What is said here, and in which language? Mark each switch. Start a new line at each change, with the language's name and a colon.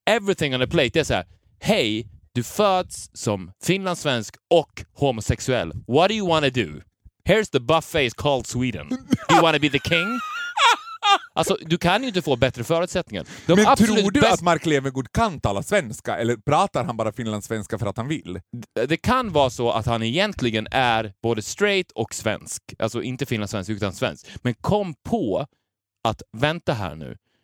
English: Everything on a plate.
Swedish: Det är så här, hej, du föds som finlandssvensk och homosexuell.
English: What do you want to do? Here's the buffet called Sweden. Do you want to be the king?
Swedish: Alltså, du kan ju inte få bättre förutsättningar. De men tror du att Mark Levengood kan tala svenska? Eller pratar han bara finlandssvenska för att han vill? Det kan vara så att han egentligen är både straight och svensk. Alltså, inte finlandssvensk utan svensk. Men kom på att vänta här nu.